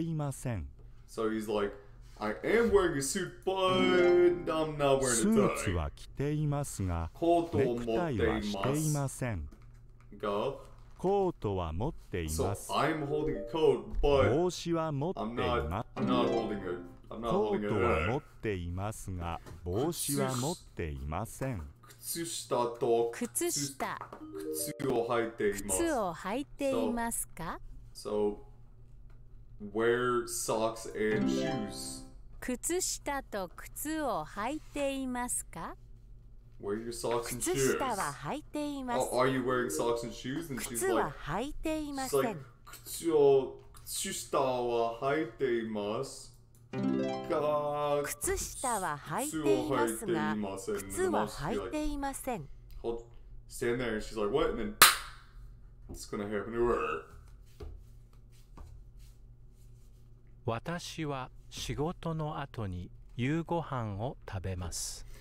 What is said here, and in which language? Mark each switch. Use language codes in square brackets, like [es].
[en] So he's like, I am wearing a suit, but I'm not wearing a tie. [ja] は着ていますが、コートを持っています。が、コートは持っています。 [en] So I'm holding a coat, but [ja] 帽子は持っています [en] 。 I'm not holding a hat. [ja] コートは持っていますが、帽子は持っていません。靴下と靴下靴を履いています。靴を履いていますか？ [en] So, wear socks and shoes. [ja] 靴下と靴を履いていますか？ [en] Wear your socks and shoes. [ja] 靴下は履いています。 [en] Are you wearing socks and shoes? And [ja] 靴は履いていません。 Like, 靴下は履いています。靴下は履いていますが、靴は履いていません。 [en] Hold, stand there, and she's like, what? And then, it's gonna happen to her. [ja] 私は仕事の後に夕ご飯を食べます。